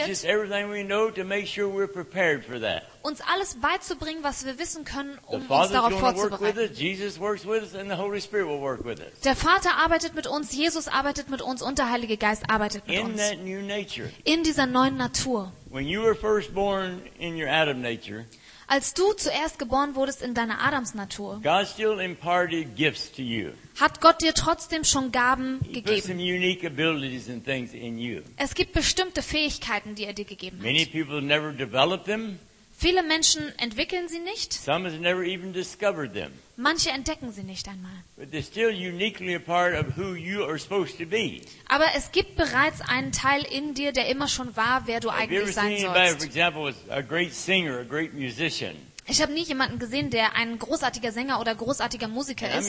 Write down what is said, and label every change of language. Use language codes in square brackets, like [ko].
[en] to teach us everything we know to make sure we're prepared for that. [de] Uns alles beizubringen, was wir wissen können, um uns darauf vorzubereiten. [en] Jesus works with us and the Holy Spirit will work with us. [de] Der Vater arbeitet mit uns, Jesus arbeitet mit uns und der Heilige Geist arbeitet mit uns. [en] In that new nature. [de] In dieser neuen Natur. [en] When you were first born in your Adam nature. [de] Als du zuerst geboren wurdest in deiner Adamsnatur, [en] God still imparted gifts to you. [de] Hat Gott dir trotzdem schon Gaben gegeben. [en] He put some unique abilities and things in you. [de] Es gibt bestimmte Fähigkeiten, die er dir gegeben hat. [en] Many people never develop them. [de] Viele Menschen entwickeln sie nicht. [en] Some have never even discovered them. [de] Manche entdecken sie nicht einmal. [en] But they're still uniquely a part of who you are supposed to be. [de] Aber es gibt bereits einen Teil in dir, der immer schon war, wer du eigentlich sein sollst. [en] Have you ever seen anybody, for example, a great singer, a great musician? [de] Ich habe nie jemanden gesehen, der ein großartiger Sänger oder großartiger Musiker ist.